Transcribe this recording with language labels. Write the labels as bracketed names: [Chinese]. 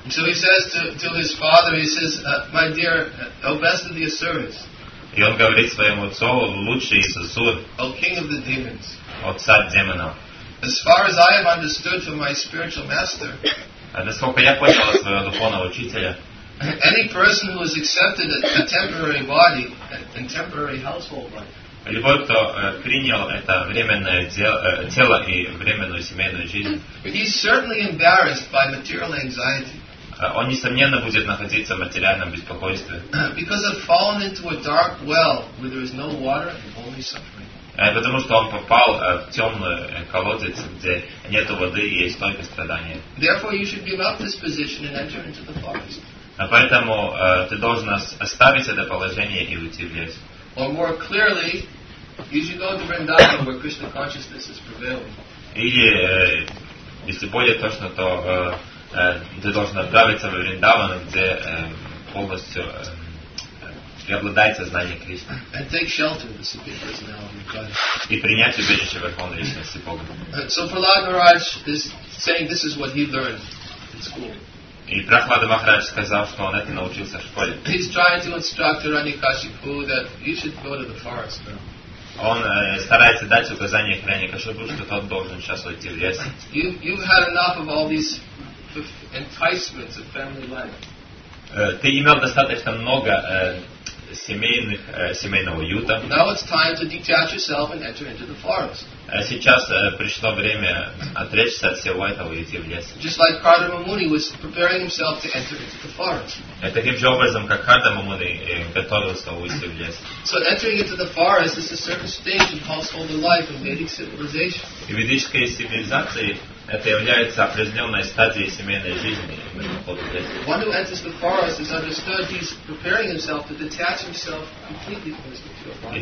[English] So he says to his father, he says, my dear, O best of the Asuras. [Russian] И он говорит своему отцу, лучший из Асур. [English] O king of the demons. [Russian] Отца демонов. [English] As far as I have understood from my spiritual master. [Russian] Насколько я понял от своего духовного учителя. [English] Any person who has accepted a temporary body and temporary household life. [Russian] Любой, кто принял это временное тело и временную семейную жизнь, [English] he's certainly embarrassed by material anxiety. [Russian] Он несомненно будет находиться в материальном беспокойстве. [English] Because of falling into a dark well where there is no water and only suffering. [Russian] Потому что он попал в темную колодец, где нет воды и есть только страдания. [English] Therefore, you should give up this position and enter into the forest. [Russian] Поэтому ты должен оставить это положение и уйти в лес. [English] Or more clearly, you should go to Vrindavan where Krishna consciousness is prevailing. [Russian] Или если более точно, то ты должен отправиться в Вриндаван, где полностью и обладает сознанием Кришны. [English] And take shelter of the Supreme Personality of God. [Russian] И принять убежище Верховной Личности Бога. [English] So Prahlad Maharaj is saying this is what he learned in school. [Russian] И Прахлада Махарадж сказал, что он это научился в школе. [English] He's trying to instruct Hiranyakashipu that you should go to the forest now. [Russian] Он старается дать указание Хиранякашипу, что тот должен сейчас уйти в лес. [English] You've had enough of all these enticements of family life. [Russian] Ты имел достаточно много семейного уюта. [English] Now it's time to detach yourself and enter into the forest. [Russian] Сейчас пришло время отречься от всего этого и уйти в лес. [English] Just like Cardamom Muni was preparing himself to enter into the forest. [Russian] Таким же образом, как Кардамом Муни готовился уйти в лес. [English] So entering into the forest is a certain stage in householder life and Vedic civilization. [Russian] И ведическая цивилизация это является определенной стадией семейной жизни. [English] One who enters the forest is understood he's preparing himself to detach himself completely from his material body.